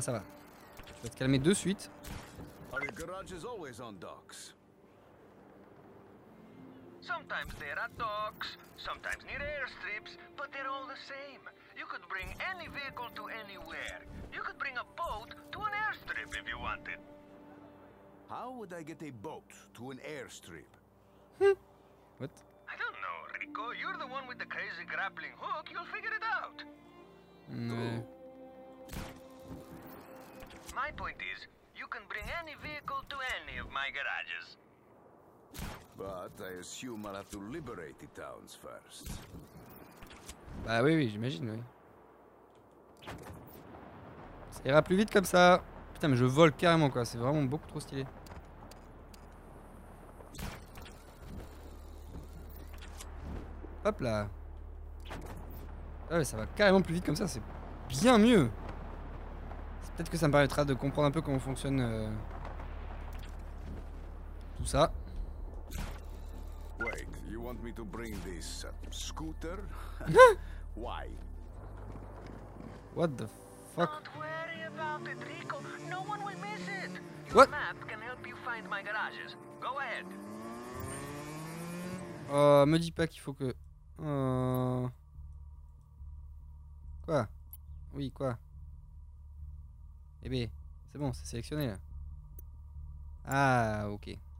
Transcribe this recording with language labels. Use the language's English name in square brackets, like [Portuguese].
[French] Je vais te calmer de suite. [English] Are your garages always on docks? Sometimes they're at docks, sometimes near airstrips, but they're all the same. You could bring any vehicle to anywhere. You could bring a boat to an airstrip if you wanted. How would I get a boat to an airstrip? What? I don't know, Rico. You're the one with the crazy grappling hook. You'll figure it out. No. My point is, you can bring any vehicle to any of my garages. But I assume I'll have to liberate the towns first. [French] Bah oui, j'imagine, oui. Ça ira plus vite comme ça. Putain, mais je vole carrément, quoi. C'est vraiment beaucoup trop stylé. Hop là. Ah ouais, ça va carrément plus vite comme ça, c'est bien mieux. C'est peut-être que ça me permettra de comprendre un peu comment fonctionne tout ça. [English] Wait, you want me to bring this scooter? Why? What the fuck? Don't worry about it, Rico. No one will miss it. What? Your map can help you find my garages. Go ahead. [French] Oh, me dis pas qu'il faut que. Quoi? Oui, quoi? Eh bien, c'est bon, c'est sélectionné là. Ah, ok.